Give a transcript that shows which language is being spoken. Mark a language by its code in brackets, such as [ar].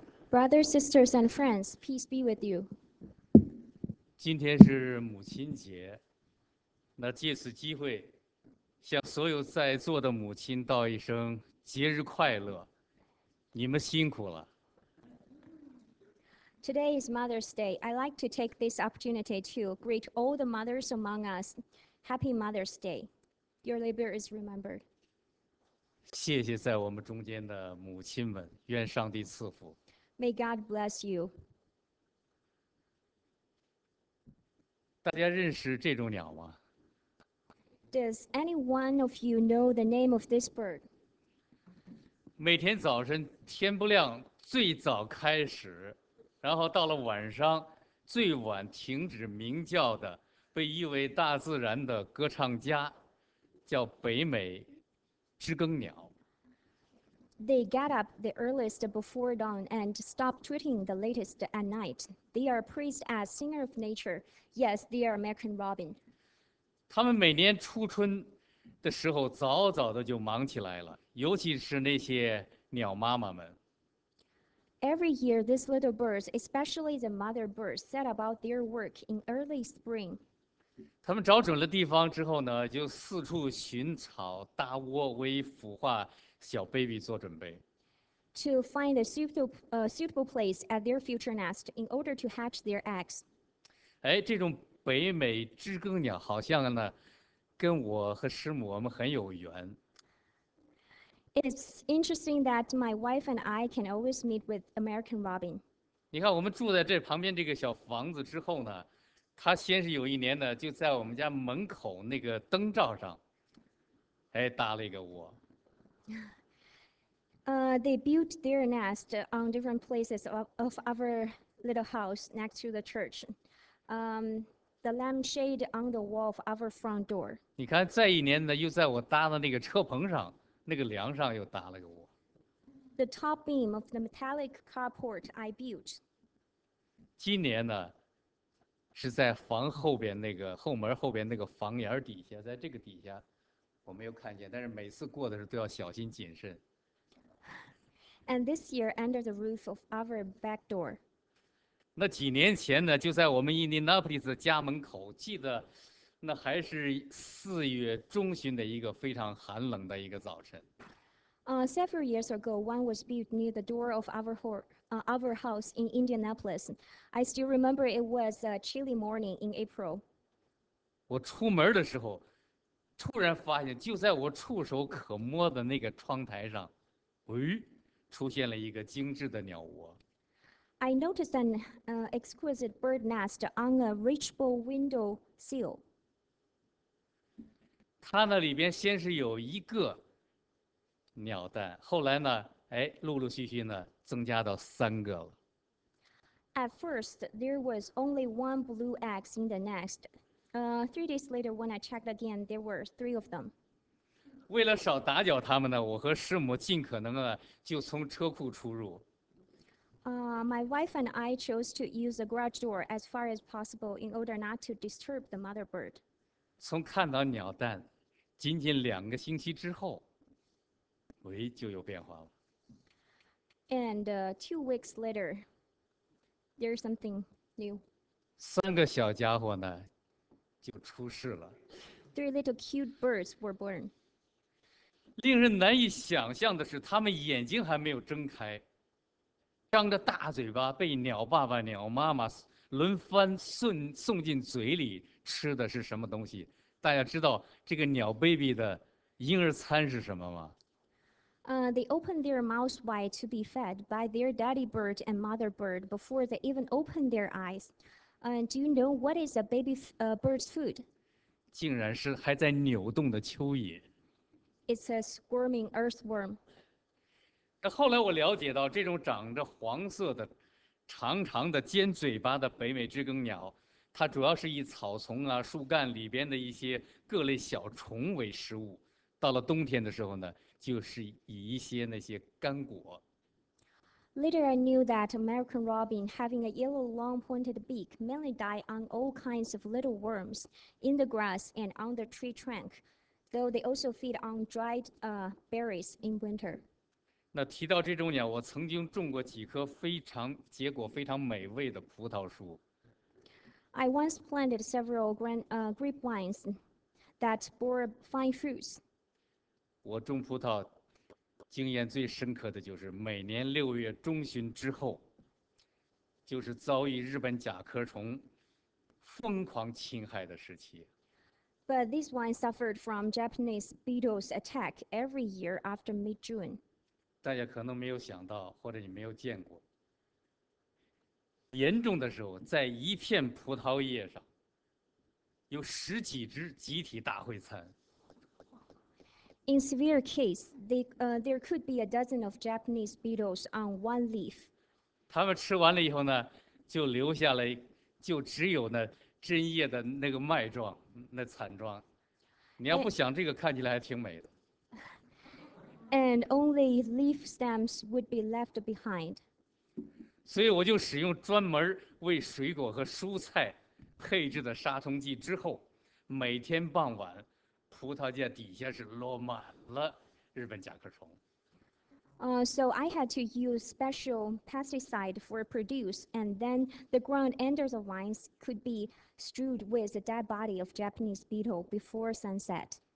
[en] Brothers, sisters, and friends, peace be with you. [zh] 今天是母亲节，那借此机会，向所有在座的母亲道一声节日快乐，你们辛苦了。 [en] Today is Mother's Day. I'd like to take this opportunity to greet all the mothers among us. Happy Mother's Day. Your labor is remembered. [zh] 谢谢在我们中间的母亲们，愿上帝赐福。 [en] May God bless you. [zh] 大家认识这种鸟吗？ [en] Does anyone of you know the name of this bird? [zh] 每天早晨天不亮最早开始，然后到了晚上最晚停止鸣叫的，被誉为大自然的歌唱家，叫北美知更鸟。 [en] They get up the earliest before dawn and stop tweeting the latest at night. They are praised as singer of nature. Yes, they are American robin. [zh] 他们每年初春的时候早早的就忙起来了，尤其是那些鸟妈妈们。 [en] Every year, these little birds, especially the mother birds, set about their work in early spring. [zh] 他们找准了地方之后呢，就四处寻草搭窝，为孵化小 baby 做准备。 [en] To find a suitable place at their future nest in order to hatch their eggs. [zh] 哎，这种北美知更鸟好像呢，跟我和师母我们很有缘。 [en] It's interesting that my wife and I can always meet with American robin. [zh] 你看，我们住在这旁边这个小房子之后呢，他先是有一年呢，就在我们家门口那个灯罩上，哎，搭了一个窝。 [en] They built their nest on different places of our little house next to the church. The lampshade on the wall of our front door. [zh] 你看，再一年呢，又在我搭的那个车棚上，那个梁上又搭了个窝。 [en] The top beam of the metallic carport I built. [zh] 今年呢，是在房后边那个后门后边那个房檐底下，在这个底下。我没有看见，但是每次过的时候都要小心谨慎。 [en] And this year, under the roof of our back door. [zh] 那几年前呢，就在我们 Indianapolis 家门口，记得那还是四月中旬的一个非常寒冷的一个早晨。 [en] Several years ago, one was built near the door of our house in Indianapolis. I still remember it was a chilly morning in April. [zh] 我出门的时候。突然发现，就在我触手可摸的那个窗台上，喂，出现了一个精致的鸟窝。 [en] I noticed an exquisite bird nest on a reachable window sill. [zh] 它那里边先是有一个鸟蛋，后来呢，哎，陆陆续续呢，增加到三个了。 [en] At first, there was only one blue egg in the nest. Three days later, when I checked again, there were three of them. [zh] 为了少打搅他们呢，我和师母尽可能啊，就从车库出入。 [en] My wife and I chose to use the garage door as far as possible in order not to disturb the mother bird. [zh] 从看到鸟蛋，仅仅两个星期之后，喂，就有变化了。 [en] And two weeks later, there's something new. [zh] 三个小家伙呢？就出世了。 [en] Three little cute birds were born. [zh] 令人难以想象的是，他们眼睛还没有睁开，张着大嘴巴，被鸟爸爸、鸟妈妈轮番送进嘴里吃的是什么东西？大家知道这个鸟 baby 的婴儿餐是什么吗？ [en] They opened their mouths wide to be fed by their daddy bird and mother bird before they even opened their eyes. And do you know what is a baby bird's food? [zh] 竟然是还在扭动的蚯蚓。 [en] It's a squirming earthworm. [zh] 那后来我了解到，这种长着黄色的、长长的尖嘴巴的北美知更鸟，它主要是以草丛啊、树干里边的一些各类小虫为食物。到了冬天的时候呢，就是以一些那些干果。 [en] Later, I knew that American robin, having a yellow long pointed beak, mainly died on all kinds of little worms in the grass and on the tree trunk, though they also feed on dried berries in winter. [zh] 那提到这种鸟，我曾经种过几棵非常结果非常美味的葡萄树。 [en] I once planted several grapevines that bore fine fruits. [zh] 我种葡萄经验最深刻的就是每年6月中旬之后，就是遭遇日本甲壳虫疯狂侵害的时期。 [en] But this wine suffered from Japanese beetles attack every year after mid-June. [zh] 大家可能没有想到，或者你没有见过，严重的时候，在一片葡萄叶上，有10几只集体大会餐。 [en] In severe case, there could be a dozen of Japanese beetles on one leaf. [zh] 他们吃完了以后呢，就留下了，就只有那针叶的那个脉状，那惨状。你要不想这个，看起来还挺美的。 [en] And only leaf stems would be left behind. [zh] 所以我就使用专门为水果和蔬菜配置的杀虫剂之后，每天傍晚，葡萄架底下是落满了日本甲壳虫。 [en] So I had to use special pesticide for produce, and then the ground under the vines could be strewed with the dead body of Japanese beetle before sunset.